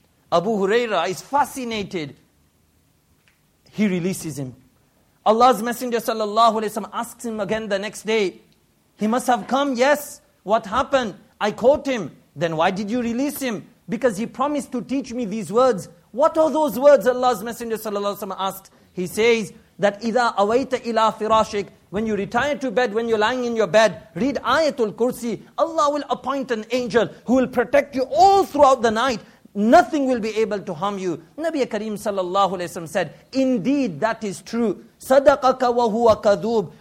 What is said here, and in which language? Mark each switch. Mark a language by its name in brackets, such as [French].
[English] Abu Huraira is fascinated. He releases him. Allah's Messenger sallallahu alayhi wa sallam asks him again the next day. He must have come, yes. What happened? I caught him. Then why did you release him? Because he promised to teach me these words. What are those words? Allah's Messenger sallallahu alayhi wa sallam asked. He says that [Arabic] إِذَا أَوَيْتَ إِلَىٰ فِرَاشِكَ. [English] When you retire to bed, when you're lying in your bed, read Ayatul Kursi. Allah will appoint an angel who will protect you all throughout the night. Nothing will be able to harm you. Nabi Kareem sallallahu alayhi wa sallam said, indeed that is true. [Arabic] صَدَقَكَ وَهُوَ كَذُوبٌ.